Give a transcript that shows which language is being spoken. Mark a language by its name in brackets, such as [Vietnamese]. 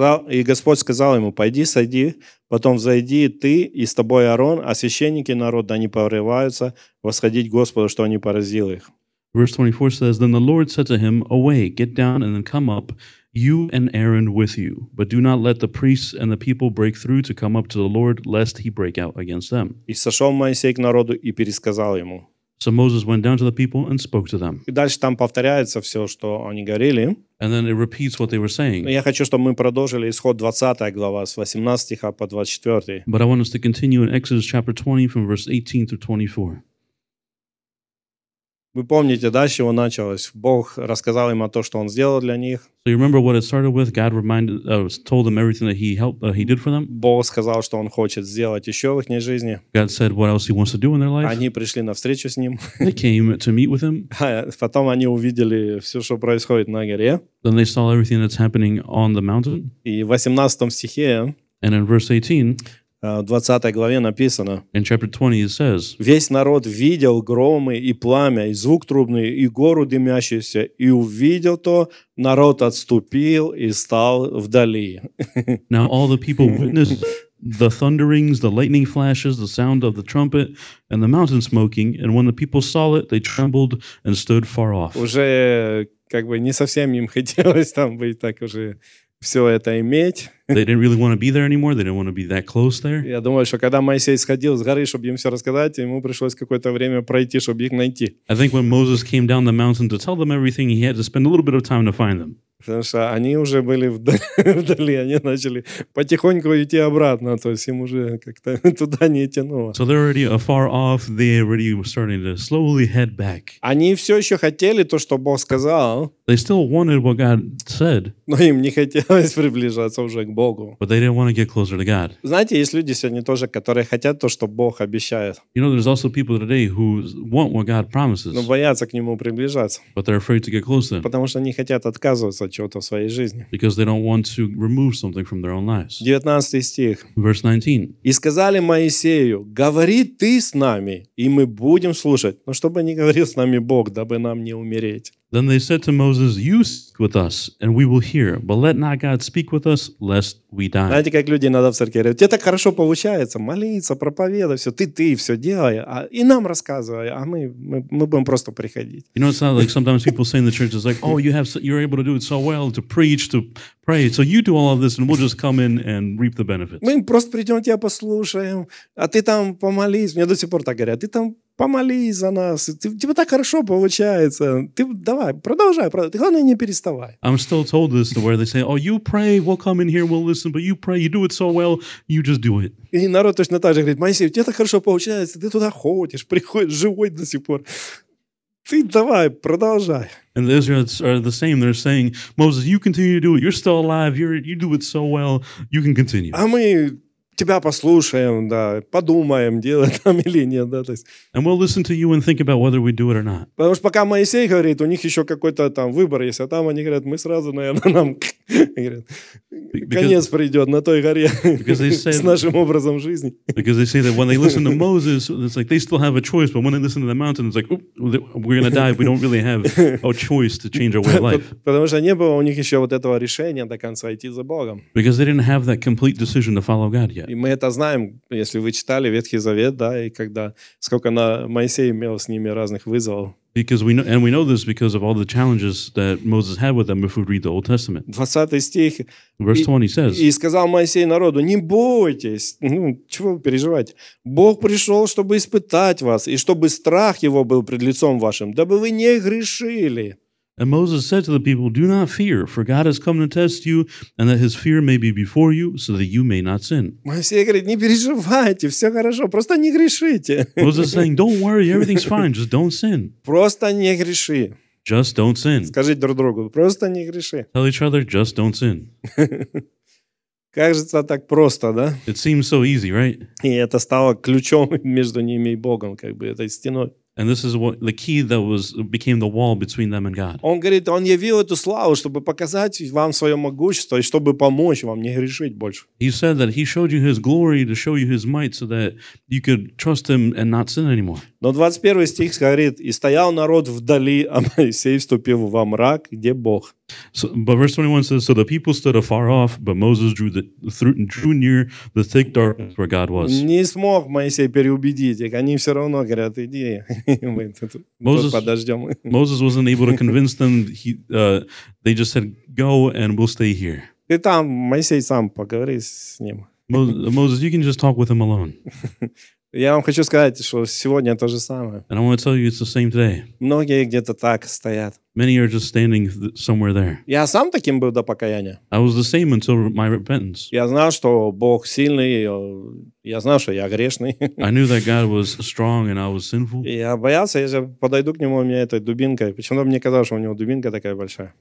[Russian] И Господь сказал ему, пойди, сойди, потом взойди ты и с тобой Аарон, а священники народа не порываются восходить Господу, что они поразил их. [English] Verse 24 says, then the Lord said to him, away, get down and then come up, you and Aaron with you, but do not let the priests and the people break through to come up to the Lord, lest he break out against them. [Russian] И сошел Моисей к народу и пересказал ему. [English] So Moses went down to the people and spoke to them. [Russian] И дальше там повторяется все, что они говорили. [English] And then it repeats what they were saying. [Russian] Но я хочу, чтобы мы продолжили исход 20 глава с 18 стиха по 24. [English] But I want us to continue in Exodus chapter 20 from verse 18 through 24. [Russian] Вы помните, да, с чего началось? Бог рассказал им о том, что он сделал для них. [English] So you remember what it started with? God reminded, told them everything that he did for them. [Russian] Бог сказал, что он хочет сделать еще в их жизни. [English] God said what else he wants to do in their life. [Russian] Они пришли на встречу с ним. [English] They came to meet with him. [Russian] Потом они увидели все, что происходит на горе. [English] Then they saw everything that's happening on the mountain. [Russian] И в 18 стихе. [English] And in verse 18. [Russian] В 20 главе написано, [English] in chapter 20 it says, [Russian] весь народ видел громы и пламя, и звук трубный, и гору дымящуюся, и увидел то, народ отступил и стал вдали. [English] Now all the people witnessed the thunderings, the lightning flashes, the sound of the trumpet, and the mountain smoking, and when the people saw it, they trembled and stood far off. [Russian] Уже как бы не совсем им хотелось там быть, так уже все это иметь. [English] They didn't really want to be there anymore. They didn't want to be that close there. [Russian] Я думаю, что когда Моисей сходил с горы, чтобы им все рассказать, ему пришлось какое-то время пройти, чтобы их найти. [English] I think when Moses came down the mountain to tell them everything, he had to spend a little bit of time to find them. [Russian] Потому что они уже были вдали, они начали потихоньку идти обратно, то есть им уже как-то туда не тянуло. [English] So they're already afar off. They already were starting to slowly head back. [Russian] Они все еще хотели то, что Бог сказал. [English] They still wanted what God said. [Russian] Но им не хотелось приближаться уже к Богу. [English] But they didn't want to get closer to God. [Russian] Знаете, есть люди сегодня тоже, которые хотят то, что Бог обещает. [English] You know, there's also people today who want what God promises. [Russian] Но боятся к Нему приближаться. [English] But they're afraid to get close to Him. [Russian] Потому что они хотят отказываться от чего-то в своей жизни. [English] Because they don't want to remove something from their own lives. [Russian] 19 стих. [English] Verse 19. [Russian] И сказали Моисею: говори ты с нами, и мы будем слушать. Но чтобы не говорил с нами Бог, дабы нам не умереть. [English] Then they said to Moses, you speak with us, and we will hear. But let not God speak with us, lest we die. [Russian] Знаете, как люди иногда в церкви говорят, тебе так хорошо получается, молиться, проповедовать, все, ты все делай, и нам рассказывай, а мы будем просто приходить. [English] You know, it's not like sometimes people say in the church, it's like, oh, you're able to do it so well, to preach, to pray, so you do all of this, and we'll just come in and reap the benefits. [Russian] Мы просто придем, тебя послушаем, а ты там помолись. Мне до сих пор так говорят, ты там помолись за нас, тебе так хорошо получается. Ты давай, продолжай. Ты, главное, не переставай. [English] I'm still told this to where they say, oh, you pray, we'll come in here, we'll listen, but you pray, you do it so well, you just do it. [Russian] И народ точно так же говорит, Моисей, тебе так хорошо получается, ты туда ходишь, приходишь живой до сих пор. Ты давай, продолжай. [English] And the Israelites are the same. They're saying, Moses, you continue to do it, you're still alive, you do it so well, you can continue. [Russian] А мы тебя послушаем, да, подумаем, делать там или нет, да, то есть. [English] And we'll listen to you and think about whether we do it or not. [Russian] Потому что пока Моисей говорит, у них еще какой-то там выбор есть, а там они говорят, мы сразу, наверное, нам говорят, конец придет на той горе с нашим образом жизни. [English] Because they say that when they listen to Moses, it's like they still have a choice, but when they listen to the mountain, it's like, we're going to die, we don't really have a choice to change our way of life. [Russian] Потому что не было у них еще вот этого решения до конца идти за Богом. [English] Because they didn't have that complete decision to follow God. [Russian] И мы это знаем, если вы читали Ветхий Завет, да, и когда сколько на Моисей имел с ними разных вызовов. [English] Because we know, and we know this because of all the challenges that Moses had with them if we read the Old Testament. [Russian] 20 стих. [English] Verse 20 says. [Russian] И сказал Моисей народу, не бойтесь, ну, чего вы переживаете? Бог пришел, чтобы испытать вас, и чтобы страх его был пред лицом вашим, дабы вы не грешили. [English] And Moses said to the people, do not fear, for God has come to test you, and that his fear may be before you, so that you may not sin. [Russian] Моисей говорит, не переживайте, все хорошо, просто не грешите. [English] Moses is saying, don't worry, everything's fine, just don't sin. [Russian] Просто не греши. [English] Just don't sin. [Russian] Скажите друг другу, просто не греши. [English] Tell each other, just don't sin. [Russian] Кажется, так просто, да? [English] It seems so easy, right? [Russian] И это стало ключом между ними и Богом, как бы этой стеной. [English] And this is what the key that was became the wall between them and God. [Russian] Он говорит, он явил эту славу, чтобы показать вам свое могущество и чтобы помочь вам не грешить больше. [English] He said that he showed you his glory to show you his might so that you could trust him and not sin anymore. [Russian] Но 21 стих говорит, и стоял народ вдали, а Моисей вступил во мрак, где Бог. [English] So, but verse 21 says, so the people stood afar off, but Moses drew near the thick darkness where God was. [Russian] Не смог Моисей переубедить их, они все равно говорят, иди, мы тут подождем. [English] Moses wasn't able to convince them, they just said, go and we'll stay here. [Russian] Ты там, Моисей, сам поговори с ним. [English] Moses, you can just talk with him alone. [Russian] Я вам хочу сказать, что сегодня то же самое. [English] And I want to tell you, it's the same today. [Russian] Многие где-то так стоят. [English] Many are just standing somewhere there. [Russian] Я сам таким был до покаяния. [English] I was the same until my repentance. [Russian] Я знал, что Бог сильный, я знал, что я грешный. [English] I knew that God was strong and I was sinful. [Russian] Я боялся, если подойду к нему, у меня этой дубинкой. Почему-то мне казалось, что у него дубинка такая большая.